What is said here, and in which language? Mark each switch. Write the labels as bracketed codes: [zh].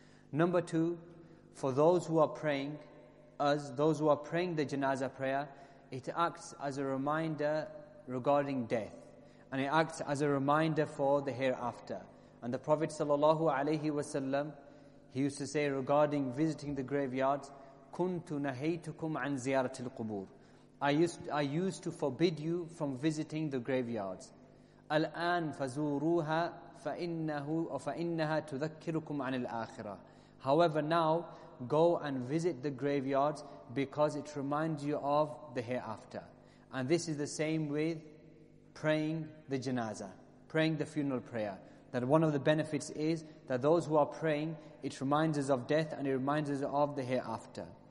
[en] Number two, for those who are praying, as those who are praying the janaza prayer, it acts as a reminder regarding death, and it acts as a reminder for the hereafter. And the Prophet sallallahu alayhi wasallam, he used to say regarding visiting the graveyards, [ar] كُنْتُ نَهَيْتُكُمْ عَنْ زِيَارَةِ الْقُبُورِ. [en] I used to forbid you from visiting the graveyards. [ar] الآن فزوروها فإنه أو فإنها تذكركم عن الآخرة. [en] However, now go and visit the graveyards because it reminds you of the hereafter. And this is the same with praying the janaza, praying the funeral prayer. That one of the benefits is that those who are praying, it reminds us of death and it reminds us of the hereafter.